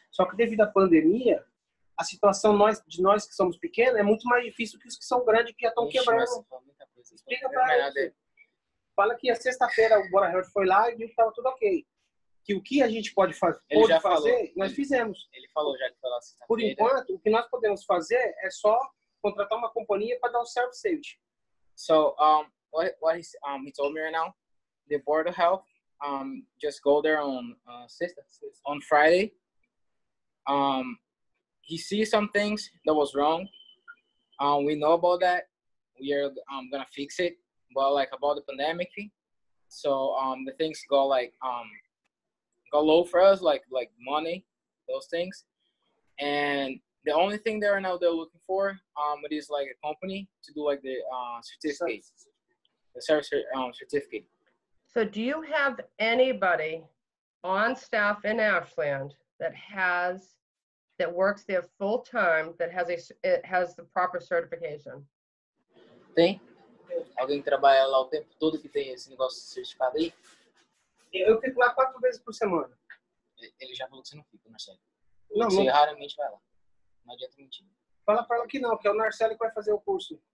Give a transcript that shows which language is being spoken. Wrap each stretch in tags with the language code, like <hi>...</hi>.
<pt>Só que devido à pandemia, a situação de nós que somos pequenos é muito mais difícil que os que são grandes que já estão quebrando. Mas, explica pra ele. Fala que a sexta-feira o Bora Health foi lá e viu que estava tudo ok. Que o que a gente pode fazer, nós fizemos. Ele falou já que foi lá sexta-feira. Por enquanto, o que nós podemos fazer é só contratar uma companhia para dar um self-service.</pt> <en>So, what he told me right now, the Board of Health, just go there on Friday. He sees some things that was wrong. We know about that. We are gonna fix it. But like about the pandemic, so the things go like go low for us, like money, those things. And the only thing they're now they're looking for, it is like a company to do like the certificate, the service certificate. So do you have anybody on staff in Ashland that has, that works there full time, that has a, it has the proper certification?</en> <pt>Tem? Alguém trabalha lá o tempo todo que tem esse negócio certificado aí? Eu fico lá quatro vezes por semana. Ele já falou que você não fica, Marcelo. Não, você não. Raramente vai lá. Não adianta mentir. Fala pra ela que não, que é o Narcelli que vai fazer o curso.</pt>